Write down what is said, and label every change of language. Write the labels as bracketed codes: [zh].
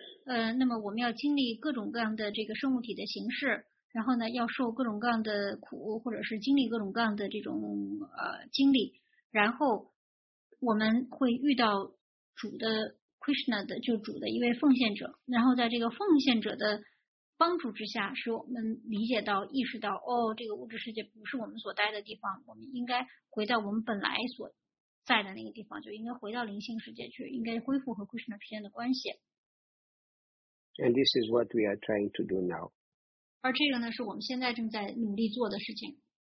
[zh] 那么我们要经历各种各样的这个生物体的形式，然后呢要受各种各样的苦，或者是经历各种各样的这种经历，然后我们会遇到主的 Krishna 的，就主的一位奉献者，然后在这个奉献者的帮助之下，使我们理解到、意识到，哦，这个物质世界不是我们所待的地方，我们应该回到我们本来所在的那个地方，就应该回到灵性世界去，应该恢复和 Krishna 之间的关系。 [en] And this is what we are trying to do now. [zh] 而这个呢，是我们现在正在努力做的事情。